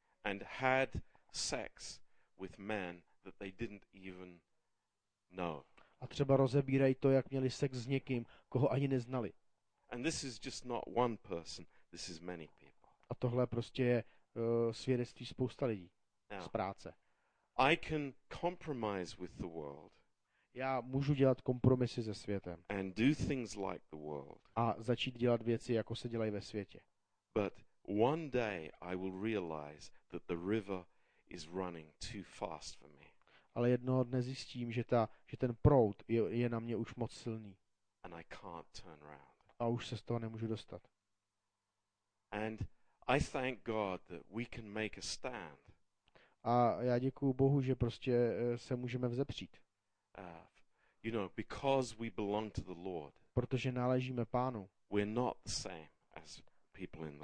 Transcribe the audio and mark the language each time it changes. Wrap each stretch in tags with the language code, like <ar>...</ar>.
<en>And had sex with men that they didn't even know.</en> <cs>A třeba rozebírají to, jak měli sex s někým, koho ani neznali.</cs> <en>And this is just not one person, this is many people.</en> <cs>A tohle prostě je svědectví spousta lidí. Now, z práce.</cs> <en>I can compromise with the world.</en> <cs>Já můžu dělat kompromisy se světem.</cs> <en>And do things like the world.</en> <cs>A začít dělat věci, jako se dělají ve světě.</cs> <en>But one day I will realize that the river is running too fast for me.</en> <cs>Ale jednoho dne zjistím, že ten proud je na mě už moc silný.</cs> <en>And I can't turn around.</en> <cs>A už se z toho nemůžu dostat.</cs> <en>And I thank God that we can make a stand.</en> <cs>A já děkuju Bohu, že prostě se můžeme vzepřít.</cs> <en>You know, because we belong to the Lord.</en> <cs>Protože náležíme Pánu.</cs> <en>We're not the same as people in the</en>